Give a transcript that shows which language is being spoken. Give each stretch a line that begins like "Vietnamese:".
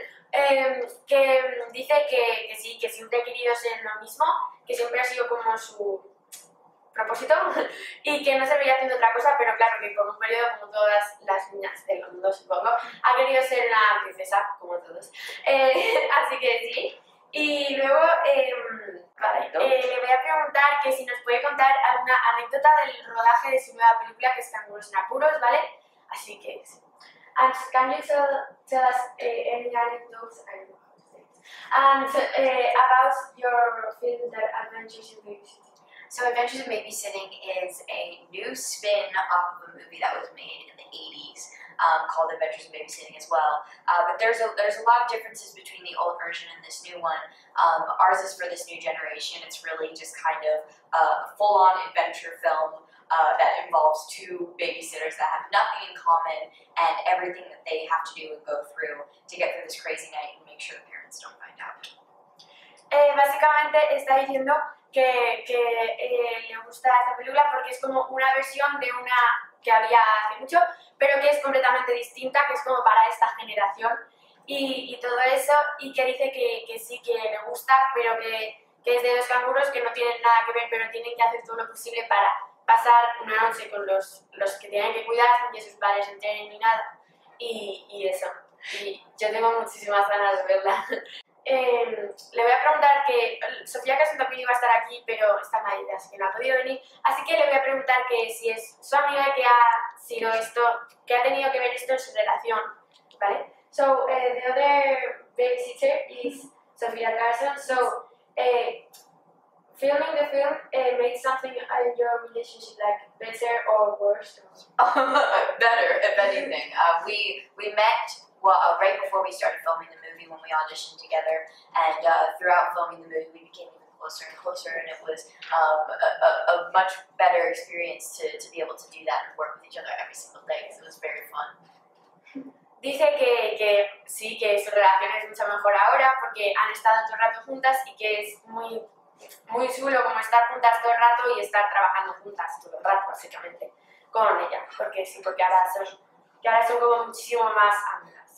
Spanish: Que dice que sí, que siempre ha querido ser lo mismo, que siempre ha sido como su propósito y que no se veía haciendo otra cosa, pero claro que por un periodo, como todas las niñas del mundo, supongo, ha querido ser una princesa, como todos. Así que sí. Y luego, le voy a preguntar que si nos puede contar alguna anécdota del rodaje de su nueva película, que es Canguros en Apuros, ¿vale? Así que sí.
English: And can you tell us any anecdotes about your film, The Adventures in Babysitting? So Adventures in Babysitting is a new spin off of a movie that was made in the 80s called Adventures in Babysitting as well. But there's a lot of differences between the old version and this new one. Ours is for this new generation. It's really just kind of a full-on adventure film that involves two babysitters that have nothing in common and everything that they have to do and go through to get through this crazy night and make sure the parents don't find out.
Spanish: Básicamente está diciendo que le gusta esta película porque es como una versión de una que había hace mucho, pero que es completamente distinta, que es como para esta generación y todo eso, y que dice que sí, que le gusta, pero que es de dos canguros que no tienen nada que ver, pero tienen que hacer todo lo posible para pasar una noche con los que tienen que cuidar sin que sus padres entren ni nada, y eso. Y yo tengo muchísimas ganas de verla. Le voy a preguntar que Sofia Carson también iba a estar aquí, pero está malita, así que no ha podido venir. Así que le voy a preguntar que si es su amiga que ha sido esto, que ha tenido que ver esto en su relación, ¿vale?
English: So, the other babysitter is Sofia Carson. So, filming the film made something in your relationship like better or worse? Better, if anything. We met... Well, right before we started filming the movie, when we auditioned together, and throughout filming the movie, we became even closer and closer, and it was a much better experience to be able to do that and work with each other every single day, so it was very fun.
Spanish: Dice que sí, que su relación es mucho mejor ahora, porque han estado todo el rato juntas, y que es muy, muy chulo como estar juntas todo el rato y estar trabajando juntas todo el rato, básicamente, con ella, porque sí, porque ahora son como muchísimo más amigas.